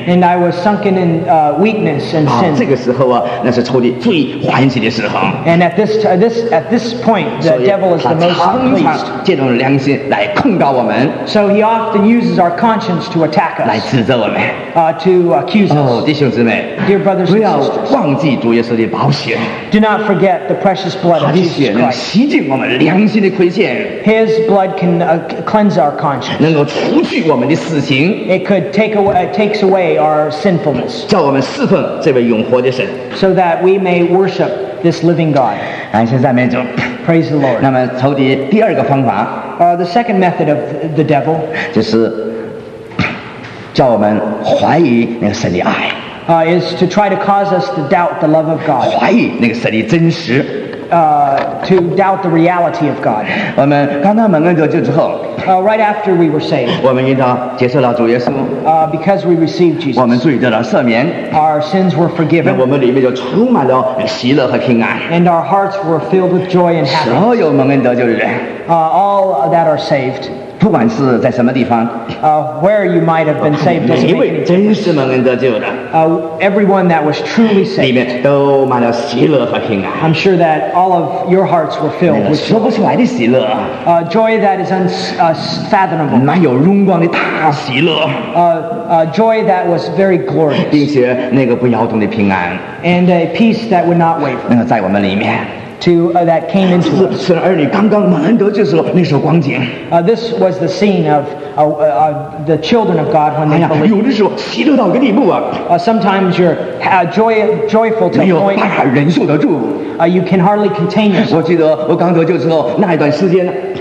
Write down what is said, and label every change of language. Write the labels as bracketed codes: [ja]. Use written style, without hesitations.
[en] And I was sunken in weakness and sin. [zh] 这个时候啊，那是仇敌最欢喜的时候。 [en] And at this point, the devil is the most pleased. [zh] 所以他常常借着良心来控告我们。 [en] So he often uses our conscience to attack us. [zh] 来指责我们。 [en] To accuse us. [zh] 弟兄姊妹。 [en] Dear brothers and sisters. [zh] 不要忘记主耶稣的宝血。 [en] Do not forget the precious blood of Jesus Christ. [zh] 他的血能洗净我们良心的亏欠。 [en] His blood can cleanse our conscience. [zh] 能够除去我们的死刑。 [en] It could takes away our sinfulness. [zh] 叫我们侍奉这位永活的神。 [en] So that we may worship this living God. [zh] 感谢赞美主。 [en] Praise the Lord. [zh] 那么仇敌第二个方法。 [en] The second method of the devil. [zh] 就是叫我们怀疑那个神的爱。 [en] Is to try to cause us to doubt the love of God. [zh] 怀疑那个神的真实。 [en] To doubt the reality of God. [zh] 我们刚刚蒙恩得救之后。 [en] Right after we were saved. [zh] 我们应当接受了主耶稣。 [en] Because we received Jesus. [zh] 我们罪得了赦免。 [en] Our sins were forgiven. [zh] 那我们里面就充满了喜乐和平安。 [en] And our hearts were filled with joy and happiness. [zh] 所有蒙恩得救的人。 [en] All that are saved. [zh] 不管是在什么地方 [en] where you might have been saved, [zh] 每一位真是蒙恩得救的 [en] everyone that was truly saved, [zh] 里面都满了喜乐和平安 [en] I'm sure that all of your hearts were filled with [zh] 说不出来的喜乐 [en] joy that is unfathomable [zh] 满有荣光的大喜乐 [en] joy that was very glorious [zh] 并且那个不摇动的平安 [en] and a peace that would not waver [zh] 那个在我们里面 [en] That came into us. [zh] 神儿女刚刚蒙恩得救时候那时候光景 [en] This was the scene of the children of God when they believed. [zh] 有的时候喜乐到一个地步啊 [en] Sometimes you're joyful to a point. [zh] 没有办法忍受得住 [en] You can hardly contain yourself. [zh] 我记得我刚得救时候那一段时间